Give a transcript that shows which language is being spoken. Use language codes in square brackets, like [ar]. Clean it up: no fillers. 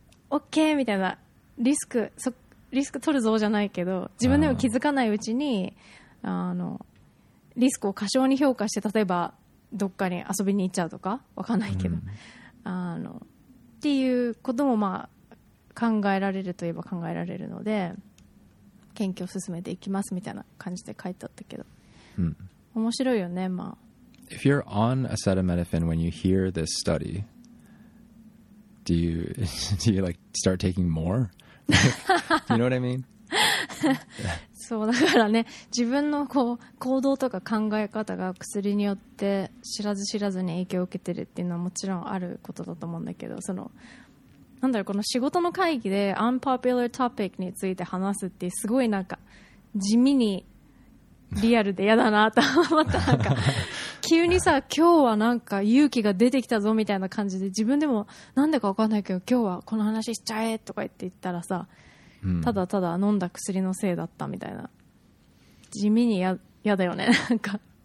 [ja] OK みたいなリスク取るぞじゃないけど、自分でも気づかないうちに、あのリスクを過小に評価して、例えばどっかに遊びに行っちゃうとか、わかんないけど、あのっていうこともまあ考えられるといえば考えられるので、研究を進めていきますみたいな感じで書いてあったけど、 hmm. 面白いよね。まあ、 [en] If you're on acetaminophen when you hear this study, do you like start taking more? You know what I mean? [ja] そうだからね、自分のこう行動とか考え方が薬によって知らず知らずに影響を受けてるっていうのはもちろんあることだと思うんだけど、その。なんだろう、この仕事の会議で [en] unpopular topic [ja] について話すってすごいなんか地味にリアルで嫌だなと思った。なんか急にさ、今日はなんか勇気が出てきたぞみたいな感じで、自分でもなんでか分かんないけど今日はこの話しちゃえとか言って言ったらさ、ただただ飲んだ薬のせいだったみたいな、地味に嫌だよね、なんか。